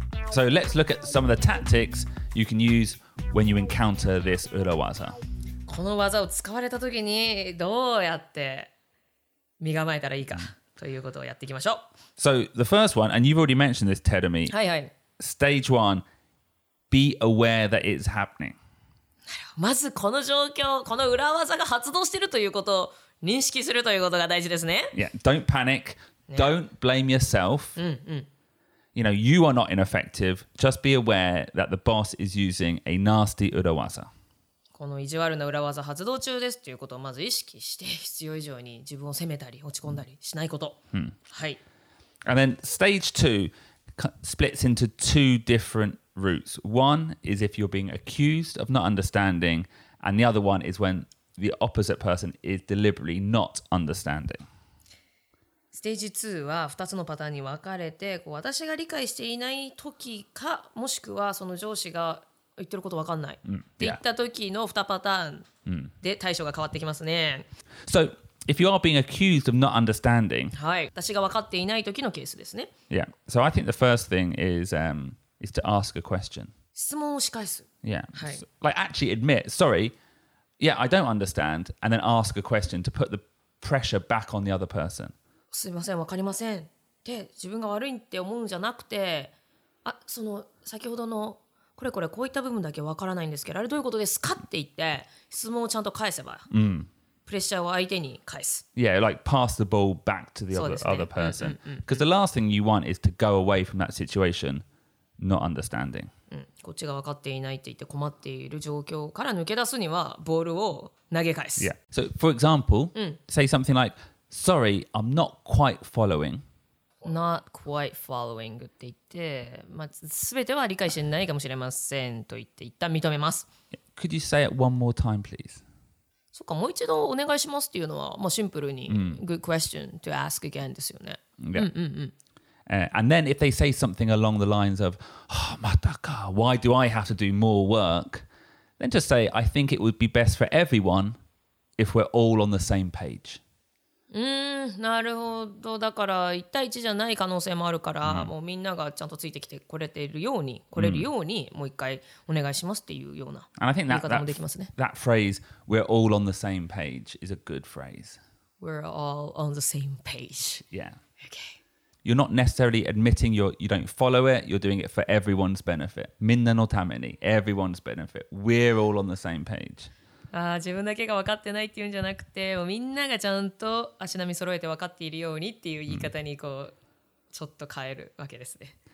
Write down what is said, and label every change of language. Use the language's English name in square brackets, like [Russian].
[English] So let's look at some of the tactics you can use when you encounter this urawaza. [Japanese] この技を使われた時にどうやって身構えたらいいかということをやっていきましょう。 [English] So the first one, and you've already mentioned this, Terumi. はいはい。 Stage one, be aware that it's happening. [Japanese] まずこの状況、この裏技が発動しているということを認識するということが大事ですね。 [English] Yeah, don't panic. Don't blame yourself. うんうん。 You know, you are not ineffective. Just be aware that the boss is using a nasty 裏技。 [Japanese] この意地悪な裏技発動中ですということをまず意識して、必要以上に自分を責めたり落ち込んだりしないこと。 Hmm. はい。 [English] And then stage two splits into two different routes. One is if you're being accused of not understanding, and the other one is when the opposite person is deliberately not understanding. [Japanese] ステージ2は2つのパターンに分かれて、こう私が理解していない時か、もしくはその上司が言ってること分かんないって言った時の2パターンで対処が変わってきますね。 [English] So, if you are being accused of not understanding, [Japanese] はい、私が分かっていない時のケースですね。 [English] Yeah, so I think the first thing is to ask a question. [Japanese] 質問を仕返す。 Yeah,、はい、 [English] like actually admit, sorry, yeah, I don't understand, and then ask a question to put the pressure back on the other person. [Japanese] すみません、わかりませんって自分が悪いって思うんじゃなくて、あ、その先ほどのこれこれこういった部分だけわからないんですけど、あれどういうことですかって言って質問をちゃんと返せば、うん、プレッシャーを相手に返す。 [English] Yeah, like pass the ball back to the other,、ね、 other person. Because、うんうん、 the last thing you want is to go away from that situation not understanding.、 [Japanese] うん、こっちがわかっていないって言って困っている状況から抜け出すにはボールを投げ返す。 [English] Yeah, so for example,、うん、say something likeSorry, I'm not quite following. Not quite following [Japanese] って言って、まあ、全ては理解してないかもしれませんと言って一旦認めます。 [English] Could you say it one more time, please? [Japanese] そうか、もう一度お願いしますっていうのは、まあ、シンプルに、mm. [English] good question to ask again [Japanese] ですよね。 Yeah. うんうんうん。 [English] And then if they say something along the lines of、oh, [Japanese] またか、 [English] why do I have to do more work? Then just say, I think it would be best for everyone if we're all on the same page. [Japanese] なるほど。だから一対一じゃない可能性もあるから、うん、もうみんながちゃんとついてきてこれてるように、来れるように、うん、もう一回お願いしますっていうような言い方もできますね。 [English] That phrase, we're all on the same page, is a good phrase. We're all on the same page. Yeah. Okay. You're not necessarily admitting you don't follow it, you're doing it for everyone's benefit. [Japanese] みんなのために、 [English] everyone's benefit. We're all on the same page. [Japanese] ああ自分だけが分かってないっていうんじゃなくて、もうみんながちゃんと足並み揃えて分かっているようにっていう言い方にこう、うん、ちょっと変えるわけですね。